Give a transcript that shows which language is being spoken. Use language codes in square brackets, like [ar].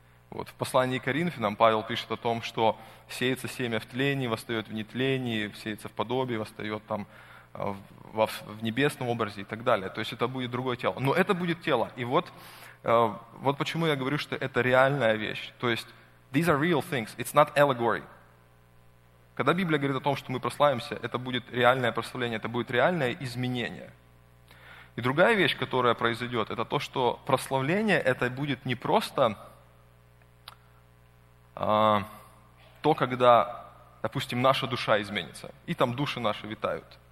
[ru] Вот в послании к Коринфянам Павел пишет о том, что сеется семя в тлении, восстает в нетлении, сеется в подобии, восстает там в небесном образе и так далее. То есть это будет другое тело. Но это будет тело. И вот почему я говорю, что это реальная вещь. То есть [en] these are real things, it's not allegory. [ru] Когда Библия говорит о том, что мы прославимся, это будет реальное прославление, это будет реальное изменение. И другая вещь, которая произойдет, это то, что прославление это будет не просто то, когда, допустим, наша душа изменится, и там души наши витают.